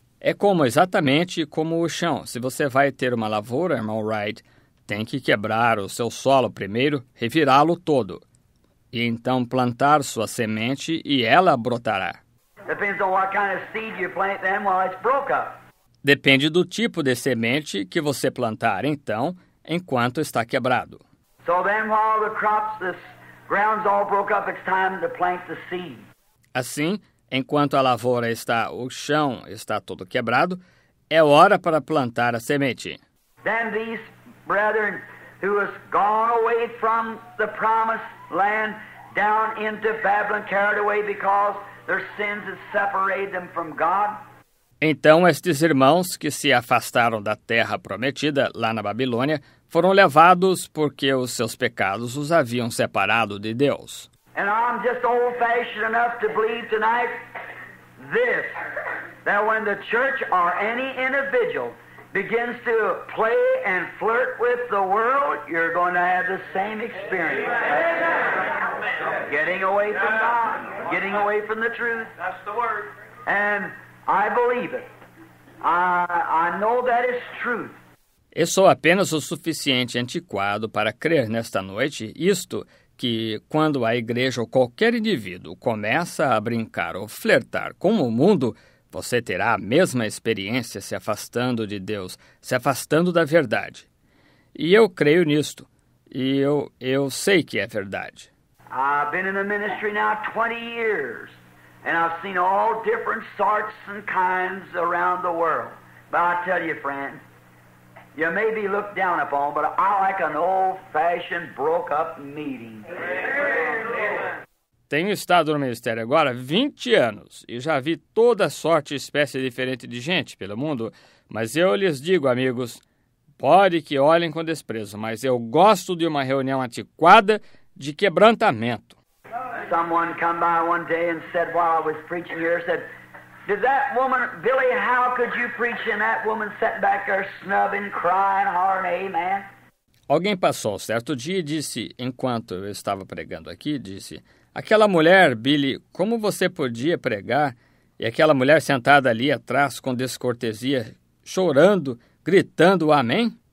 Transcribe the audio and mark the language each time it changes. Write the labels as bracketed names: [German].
[Portuguese] É como exatamente como o chão. Se você vai ter uma lavoura, irmão Wright, tem que quebrar o seu solo primeiro, revirá-lo todo, e então plantar sua semente e ela brotará. [English] Depends on what kind of seed you plant then while it's broke up. [Portuguese] Depende do tipo de semente que você plantar então, enquanto está quebrado. [English] So then while the crops, the ground's all broke up, it's time to plant the seed. [Portuguese] Assim, enquanto a lavoura está, o chão está todo quebrado, é hora para plantar a semente. [English] Then these brethren who has gone away from the promised land down into Babylon carried away because their sins had separated them from God. [Portuguese] Então estes irmãos que se afastaram da terra prometida lá na Babilônia foram levados porque os seus pecados os haviam separado de Deus. [English] And I'm just old-fashioned enough to believe tonight this, that when the church or any individual begins to play and flirt with the world, you're going to have the same experience. Amen. Getting away from God, getting away from the truth. That's the word. And I believe it. I know that is truth. [Portuguese] Eu sou apenas o suficiente antiquado para crer nesta noite isto, que quando a igreja ou qualquer indivíduo começa a brincar ou flertar com o mundo, você terá a mesma experiência se afastando de Deus, se afastando da verdade. E eu creio nisto. E eu sei que é verdade. [English] I've been in the ministry now 20 years, and I've seen all different sorts and kinds around the world. But I tell you, friend, you may be looked down upon, but I like an old-fashioned, broke-up meeting. [Portuguese] Tenho estado no ministério agora 20 anos e já vi toda sorte e espécie diferente de gente pelo mundo. Mas eu lhes digo, amigos, pode que olhem com desprezo, mas eu gosto de uma reunião antiquada de quebrantamento. Amém. [English] someone come by one day and said, while I was preaching here, said, did that woman, Billy, how could you preach and that woman sitting back there snubbing, crying, hollering, amen? [Portuguese] Alguém passou certo dia e disse, enquanto eu estava pregando aqui, disse, aquela mulher, Billy, como você podia pregar? E aquela mulher sentada ali atrás com descortesia, chorando, gritando, amém?